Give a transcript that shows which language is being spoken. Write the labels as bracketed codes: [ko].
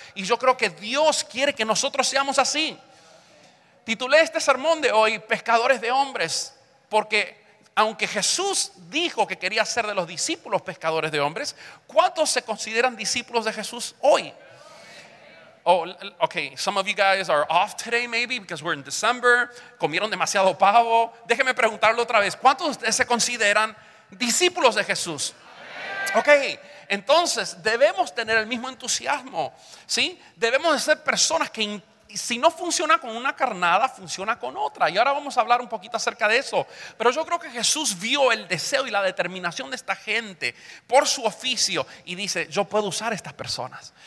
[es] Y yo creo que Dios quiere que nosotros seamos así. Titulé este sermón de hoy, Pescadores de Hombres, porque aunque Jesús dijo que quería ser de los discípulos pescadores de hombres, ¿cuántos se consideran discípulos de Jesús hoy? [en] Oh, okay, some of you guys are off today maybe because we're in December, [es] comieron demasiado pavo. Déjeme preguntarlo otra vez, ¿cuántos de ustedes se consideran discípulos de Jesús? Okay. Entonces, debemos tener el mismo entusiasmo, ¿sí? Debemos de ser personas que si no funciona con una carnada, funciona con otra. Y ahora vamos a hablar un poquito acerca de eso. Pero yo creo que Jesús vio el deseo y la determinación de esta gente por su oficio y dice, yo puedo usar a estas personas.